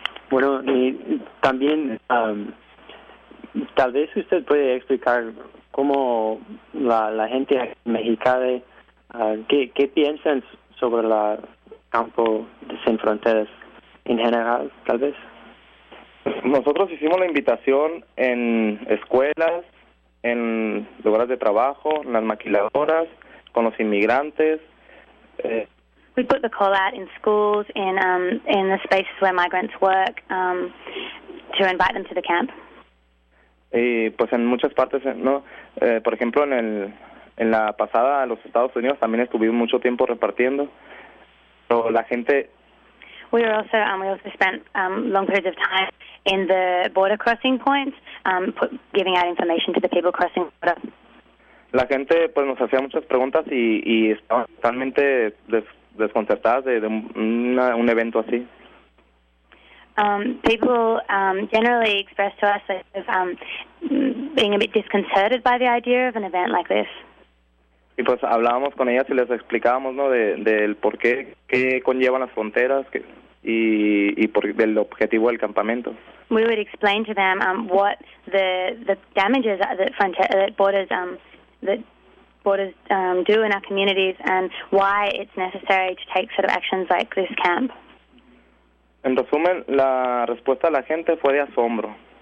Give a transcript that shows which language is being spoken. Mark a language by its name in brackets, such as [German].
[Spanish] Bueno, y también tal vez usted puede explicar cómo la gente mexicana ¿qué piensan sobre el campo de Sin Fronteras en general, tal vez? Nosotros hicimos la invitación en escuelas, en lugares de trabajo, en las maquiladoras, con los inmigrantes. [English] We put the call out in schools, in the spaces where migrants work, to invite them to the camp. [Spanish] Y pues en muchas partes, ¿no? Por ejemplo, en la pasada, a los Estados Unidos también estuvimos mucho tiempo repartiendo. Pero la gente... [English] We also spent long periods of time in the border crossing points, giving out information to the people crossing the border. [Spanish] La gente pues nos hacía muchas preguntas y estaban totalmente desconcertadas de un evento así. [English] People generally expressed to us being a bit disconcerted by the idea of an event like this. [Spanish] Y pues hablábamos con ellas y les explicábamos, ¿no?, del por qué, qué conllevan las fronteras y por del objetivo del campamento. [English] We would explain to them what the damages that borders do in our communities and why it's necessary to take sort of actions like this camp. [Spanish] En resumen, la respuesta de la gente fue de asombro.